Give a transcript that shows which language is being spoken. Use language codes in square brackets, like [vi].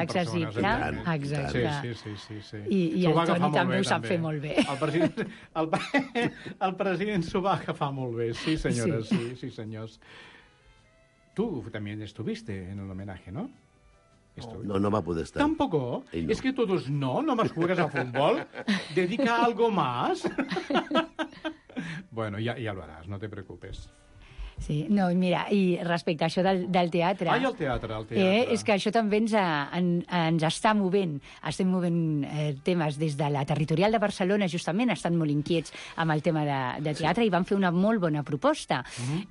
[ca] accessible. Exacte. Sí. I el Toni també ho sap fer molt bé. El president s'ho va agafar molt bé, sí, senyores, sí, sí, senyors. [es] Tu també estuviste en el homenatge, no? [ca] No va poder estar. [es] Tampoco. No. Es que todos no, nomás juegas a futbol. Dedica algo más. Bueno, ya lo harás, no te preocupes. [ca] Sí, no, mira, i respecte a això del teatre... Ai, el teatre. És que això també ens està movent. Estem movent temes des de la Territorial de Barcelona, justament, estan molt inquiets amb el tema de teatre, sí, i van fer una molt bona proposta. Mm-hmm.